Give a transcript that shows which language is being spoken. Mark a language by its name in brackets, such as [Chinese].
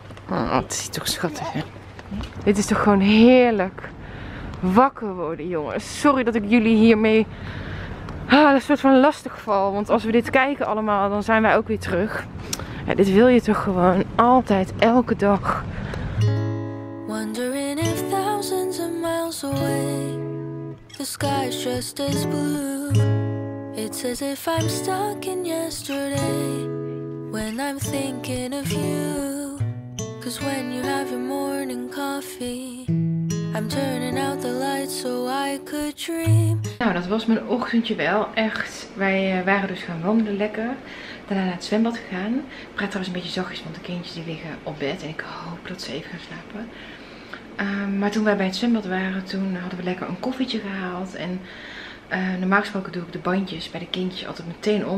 [Dutch] Oh, dat ziet toch schattig, hè? Dit is toch gewoon heerlijk. Wakker worden, jongens. Sorry dat ik jullie hiermee... Ah, dat is een soort van lastig geval, want als we dit kijken allemaal, dan zijn wij ook weer terug. Ja, dit wil je toch gewoon altijd, elke dag. [English] Wondering if thousands of miles away, the sky's just as blue. It's as if I'm stuck in yesterday, when I'm thinking of you. Cause when you have your morning coffee, I'm turning out the lights so I could dream. [Dutch] Nou, dat was mijn ochtendje wel, echt. Wij waren dus gaan wandelen lekker. Daarna naar het zwembad gegaan. Ik praat trouwens een beetje zachtjes, want de kindjes die liggen op bed. En ik hoop dat ze even gaan slapen. Maar toen wij bij het zwembad waren, toen hadden we lekker een koffietje gehaald. En normaal gesproken doe ik de bandjes bij de kindjes altijd meteen om.